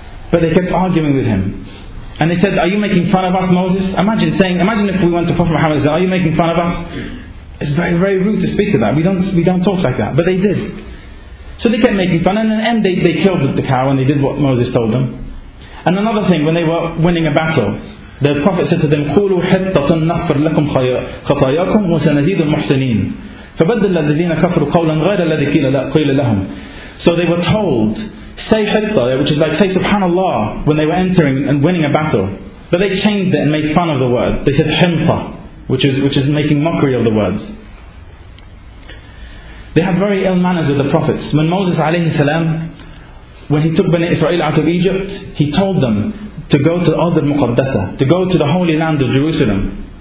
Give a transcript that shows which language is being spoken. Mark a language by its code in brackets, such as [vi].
[en] But they kept arguing with him. And they said, are you making fun of us, Moses? Imagine if we went to Prophet Muhammad and said, are you making fun of us? It's very, very rude to speak to that. We don't talk like that. But they did. So they kept making fun. And in the end, they killed the cow and they did what Moses told them. And another thing, when they were winning a battle, the Prophet said to them, [ar] قُولُوا حِطَّةٌ نَغْفِرْ لَكُمْ خَطَيَاكُمْ وَسَنَزِيدُ الْمُحْسَنِينَ فَبَدَّلَ الَّذِينَ كَفْرُوا قَوْلًا غَيْرَ الَّذِي قِيلَ لَهُمْ. [en] So they were told, say hitta, which is like say subhanallah when they were entering and winning a battle. But they changed it and made fun of the word. They said himta, which is making mockery of the words. They had very ill manners with the prophets. When Moses alayhi salam, when he took Bani Israel out of Egypt, he told them to go to Ard al-Muqaddasa, to go to the holy land of Jerusalem.